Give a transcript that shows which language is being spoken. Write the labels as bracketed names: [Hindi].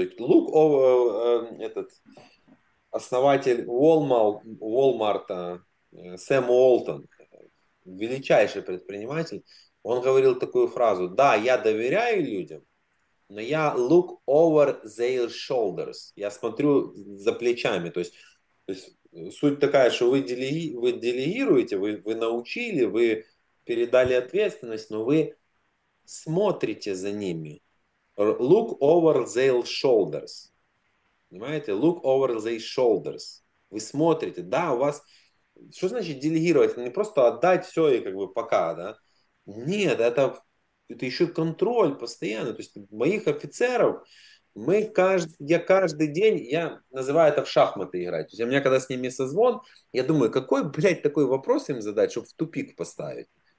[Russian] То есть этот основатель Walmart, Сэм Уолтон, величайший предприниматель, он говорил такую фразу: «Да, я доверяю людям, но я look over their shoulders». Я смотрю за плечами. То есть суть такая, что вы делегируете, вы научили, вы передали ответственность, но вы смотрите за ними. [English] Look over their shoulders. [Russian] Понимаете? [English] Look over their shoulders. [Russian] Вы смотрите. Да, у вас... Что значит делегировать? Не просто отдать все и как бы пока, да? Нет, это еще контроль постоянно. То есть моих офицеров, я каждый день, я называю это в шахматы играть. То есть у меня когда с ними созвон, я думаю, какой, блядь, такой вопрос им задать, чтобы в тупик поставить.